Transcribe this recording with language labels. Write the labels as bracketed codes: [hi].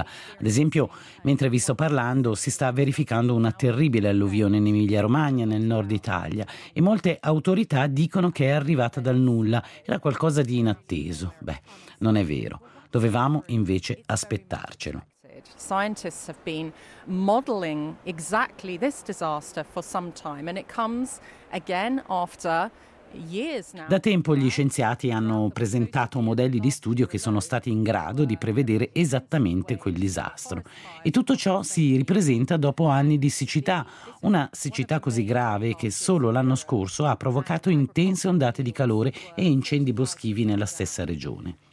[it] Ad esempio, mentre vi sto parlando, si sta verificando una terribile alluvione in Emilia-Romagna, nel nord Italia, e molte autorità dicono che è arrivata dal nulla, era qualcosa di inatteso. Beh, non è vero, dovevamo invece aspettarcelo. [en] Scientists have been modeling exactly this disaster for some time, and it comes again after. [it] Da tempo gli scienziati hanno presentato modelli di studio che sono stati in grado di prevedere esattamente quel disastro. E tutto ciò si ripresenta dopo anni di siccità, una siccità così grave che solo l'anno scorso ha provocato intense ondate di calore e incendi boschivi nella stessa regione.